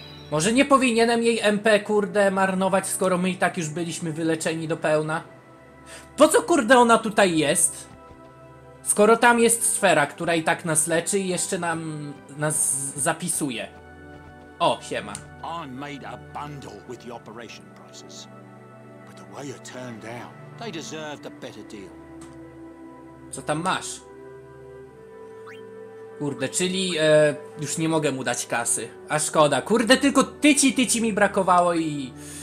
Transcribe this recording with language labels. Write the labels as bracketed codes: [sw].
[pl] Może nie powinienem jej MP, kurde, marnować, skoro my i tak już byliśmy wyleczeni do pełna? Po co kurde ona tutaj jest? Skoro tam jest sfera, która i tak nas leczy i jeszcze nam nas zapisuje. O, siema. [en] I made a bundle with the operation prices. But the way you turned out, they deserved a better deal. [pl] Co tam masz? Kurde, czyli już nie mogę mu dać kasy. A szkoda, kurde, tylko tyci mi brakowało i...